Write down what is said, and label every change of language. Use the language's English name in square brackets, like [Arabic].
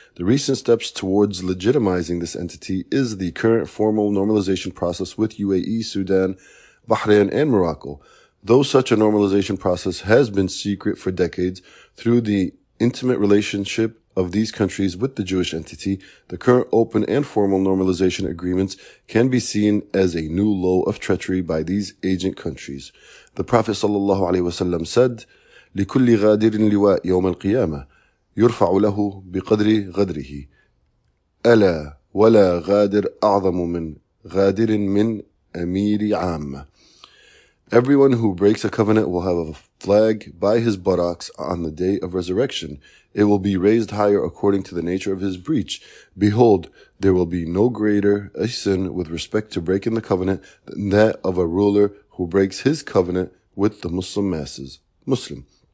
[English] The recent steps towards legitimizing this entity is the current formal normalization process with UAE, Sudan, Bahrain, and Morocco. Though such a normalization process has been secret for decades, through the intimate relationship of these countries with the Jewish entity, the current open and formal normalization agreements can be seen as a new low of treachery by these agent countries. The Prophet sallallahu alaihi wasallam said, [Arabic] لكل غادر لواء يوم القيامة يرفع له بقدر غدره ألا ولا غادر أعظم من غادر من أمير عام. [English] Everyone who breaks a covenant will have a flag by his buttocks on the day of resurrection. It will be raised higher according to the nature of his breach. Behold, there will be no greater a sin with respect to breaking the covenant than that of a ruler who breaks his covenant with the Muslim masses. Muslim.